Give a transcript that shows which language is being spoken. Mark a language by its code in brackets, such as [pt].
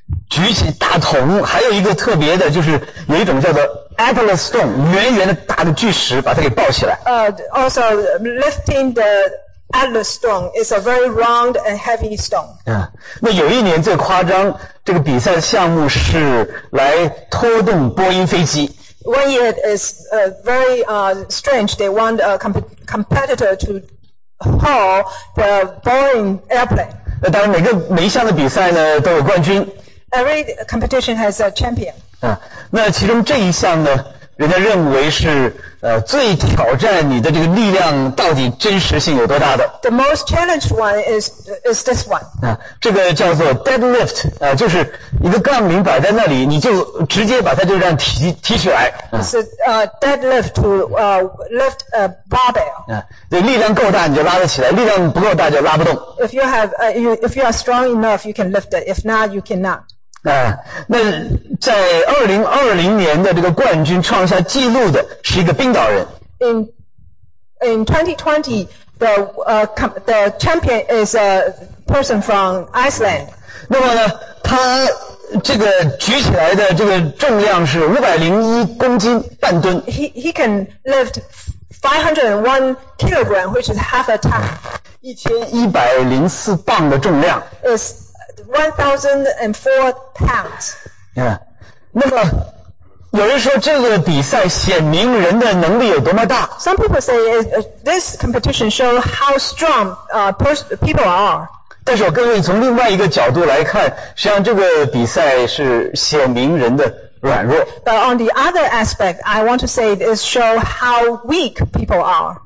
[zh] 举起大桶，还有一个特别的，就是有一种叫做 Atlas Stone， 圆圆的大的巨石，把它给抱起来。 [en] Also lifting the Atlas Stone is a very round and heavy stone. [zh] 那有一年最夸张，这个比赛项目是来拖动波音飞机。 [en] One year is very strange. They want a competitor to haul the Boeing airplane. [zh] 那当然，每一项的比赛呢都有冠军。 [en] Every competition has a champion. [zh] 那其中这一项呢，人家认为是最挑战你的这个力量到底真实性有多大的。 [en] The most challenged one is this one. [zh] 这个叫做 deadlift， 就是一个杠铃摆在那里，你就直接把它就这样提起来。 [en] It's a deadlift to lift a barbell. [zh] 对，力量够大你就拉得起来，力量不够大就拉不动。 [en] If you are strong enough, you can lift it. If not, you cannot. [zh] 那在2020年的这个冠军创下纪录的是一个冰岛人。 [en] In 2020, the champion is a person from Iceland. [zh] 那么呢，他这个举起来的这个重量是501公斤半吨。 [en] He can lift 501 kilogram, which is half a ton. [zh] 1104磅的重量。 [en] Is1,004 pounds. Yeah. [zh] 那么有人说这个比赛显明人的能力有多么大。 [en] Some people say this competition shows how strong people are. [zh] 但是我跟你从另外一个角度来看，实际上这个比赛是显明人的软弱。 [en] But on the other aspect, I want to say it shows how weak people are.